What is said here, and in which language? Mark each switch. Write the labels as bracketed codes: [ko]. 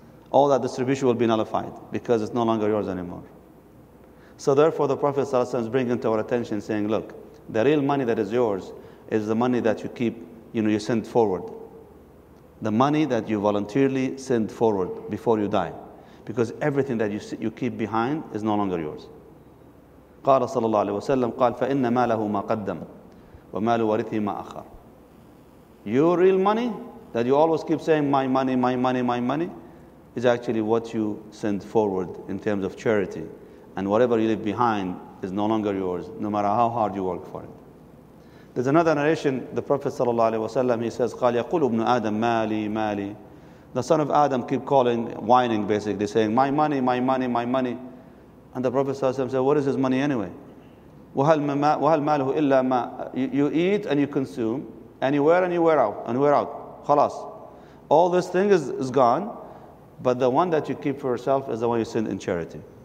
[en] All that distribution will be nullified because it's no longer yours anymore. So therefore, the Prophet ﷺ is bringing to our attention, saying, look, the real money that is yours is the money that you keep, you know, you send forward. The money that you voluntarily send forward before you die. Because everything that you keep behind is no longer yours. [ar] قال صلى الله عليه وسلم قال فإن ماله ما قدم ومال ورثه ما أخر. [en] Your real money that you always keep saying my money, my money, my money, is actually what you send forward in terms of charity, and whatever you leave behind is no longer yours, no matter how hard you work for it. There's another narration. [ar] The Prophet صلى الله عليه وسلم, [en] he says, [ar] قال يقول ابن آدم مالي مالي. [en] The son of Adam keep calling, whining, basically saying my money, my money, my money. And the Prophet ﷺ said, what is his money anyway? [ar] وَهَلْ مَالُهُ إِلَّا مَا. [en] You eat and you consume, and you wear and you wear out, and wear out. [ar] خلاص. [en] All this thing is gone, but the one that you keep for yourself is the one you send in charity.